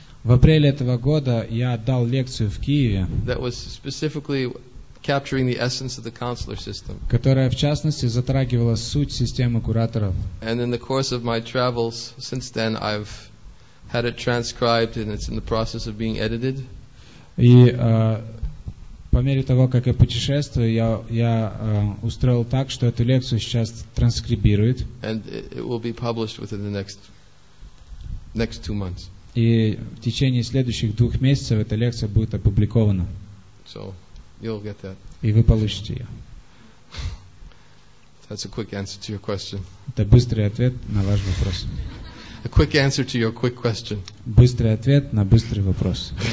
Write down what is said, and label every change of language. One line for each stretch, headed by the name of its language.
Russian: В апреле этого года я дал лекцию в Киеве.
English: That was specifically capturing the essence of the consular system.
Russian: Которая в частности затрагивала суть системы кураторов.
English: And in the course of my travels since then, I've had it transcribed and it's in the process of being edited.
Russian: И по мере того, как я путешествую, я устроил так, что эту лекцию сейчас транскрибируют.
English: And it will be published within the next 2 months.
Russian: И в течение следующих 2 месяцев эта лекция будет опубликована.
English: So. You'll get that.
Russian: И вы получите ее.
English: That's a quick answer to your question.
Russian: Это быстрый ответ на ваш вопрос.
English: A quick answer to your quick question.
Russian: Быстрый ответ на быстрый вопрос.